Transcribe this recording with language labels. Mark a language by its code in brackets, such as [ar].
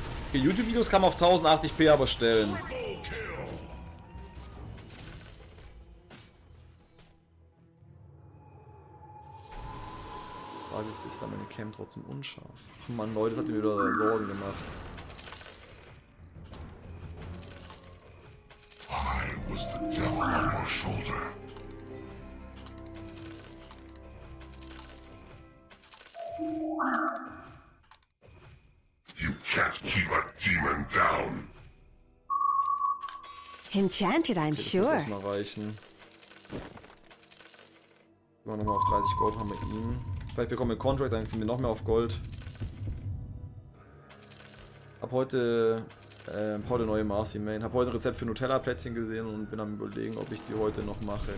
[de] Okay, YouTube-Videos kann man auf 1080p aber stellen. Frage ist, ist da meine Cam trotzdem unscharf? Oh Mann, Leute, das hat mir wieder Sorgen gemacht. [en] I was the devil on your shoulder. You can't keep a demon down. Enchanted, I'm sure. [de] Das muss erstmal reichen. Immer nochmal auf 30 Gold haben wir ihn. Vielleicht bekommen wir Contract, dann sind wir noch mehr auf Gold. Hab heute. Heute neue Marcy Main. Hab heute ein Rezept für Nutella-Plätzchen gesehen und bin am Überlegen, ob ich die heute noch mache.